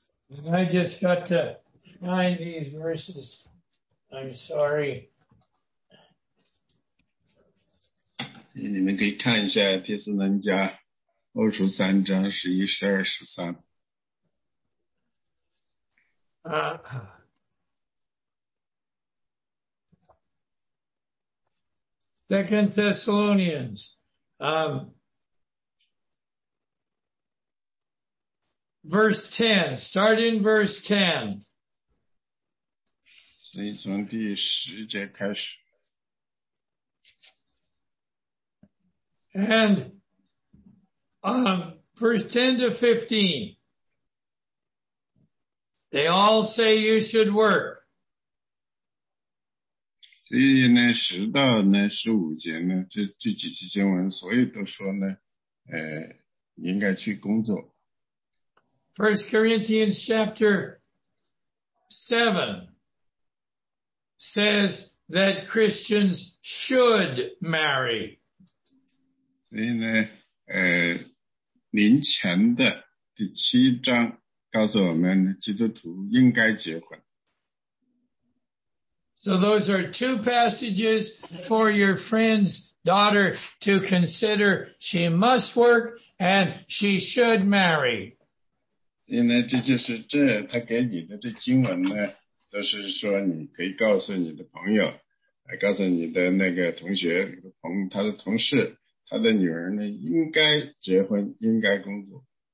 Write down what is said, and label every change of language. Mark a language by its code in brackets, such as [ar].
[en] And I just got to find these verses. I'm sorry. [zh] 你们可以看一下帖撒罗尼迦后书三章十一、十二、十三。 [en] Second Thessalonians, verse 10, start in verse 10. [zh] 所以从第十节开始。 [en] And verse 10 to 15, they all say you should work. [zh] 所以呢，10到15节呢，这几节经文，所以都说呢，应该去工作。 [en] First Corinthians chapter 7 says that Christians should marry. [zh] 所以呢，林前的第七章告诉我们，基督徒应该结婚。 [en] So those are two passages for your friend's daughter to consider. She must work and she should marry. [zh] 所以呢，这就是这他给你的这经文呢，都是说你可以告诉你的朋友，告诉你的那个同学，他的同事。他的女儿呢，应该结婚，应该工作。